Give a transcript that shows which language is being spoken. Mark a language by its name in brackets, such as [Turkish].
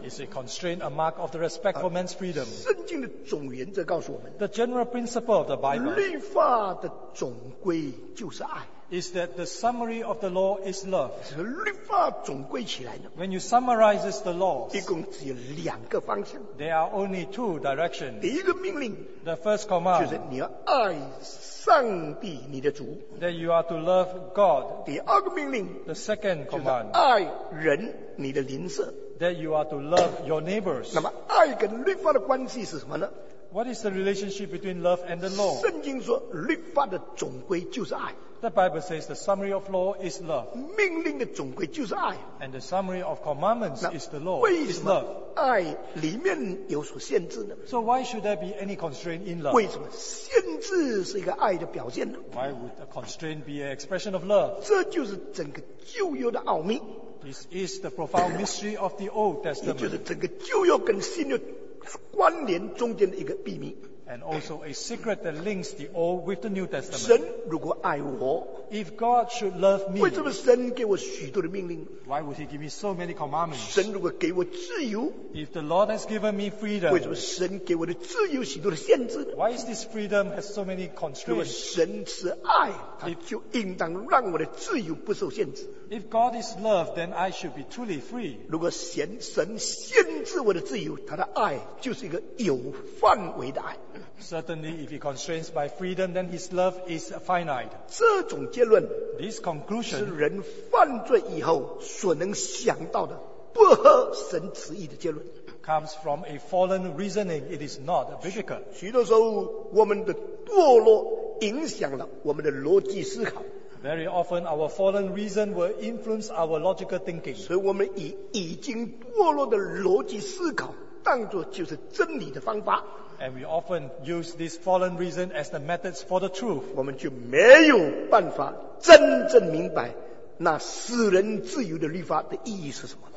[English] Is a constraint a mark of the respect for man's freedom? [Chinese] 圣经的总原则告诉我们， [English] The general principle of the Bible, [Chinese] 律法的总归就是爱。 [English] Is that the summary of the law is love. [Chinese] 律法总归起来呢， [English] When you summarize the laws, [Chinese] 一共只有两个方向。 [English] There are only two directions. [Chinese] 第一个命令， [English] The first command, [Chinese] 就是你要爱上帝你的主。 [English] That you are to love God. [Chinese] 第二个命令， [English] The second command, [Chinese] 就是爱人你的邻舍。 [English] That you are to love your neighbors. [Chinese] 那么爱跟律法的关系是什么呢？ [English] What is the relationship between love and the law? [Chinese] 圣经说律法的总归就是爱。 [English] The Bible says the summary of law is love. [Chinese] 命令的总归就是爱。 [English] And the summary of commandments is the law. [Chinese] 为什么爱里面有所限制呢？ [English] So why should there be any constraint in love? [Chinese] 为什么限制是一个爱的表现呢？ [English] Why would a constraint be an expression of love? [Chinese] 这就是整个旧约的奥秘。 [English] This is the profound mystery of the Old Testament. [Chinese] 也就是整个旧约跟新约关联中间的一个秘密。 [English] And also a secret that links the Old with the New Testament. [Chinese] 神如果爱我， [English] If God should love me, [Chinese] 为什么神给我许多的命令？ [English] Why would he give me so many commandments? [Chinese] 神如果给我自由， [English] If the Lord has given me freedom, [Chinese] 为什么神给我的自由许多的限制？ [English] Why is this freedom has so many constraints? [Chinese] 如果神是爱，他就应当让我的自由不受限制。 [English] If God is love, then I should be truly free. [Chinese] 如果神限制我的自由，他的爱就是一个有范围的爱。 [English] Certainly, if he constrains my freedom, then his love is finite. [Chinese] 这种结论， [English] This conclusion, [Chinese] 是人犯罪以后所能想到的不合神旨意的结论。 [English] Comes from a fallen reasoning. It is not biblical. [Chinese] 许多时候，我们的堕落影响了我们的逻辑思考。 [English] Very often our fallen reason will influence our logical thinking. [Chinese] 所以我们以已经堕落的逻辑思考当作就是真理的方法。 [English] And we often use this fallen reason as the methods for the truth. [Chinese] 我们就没有办法真正明白那使人自由的律法的意义是什么。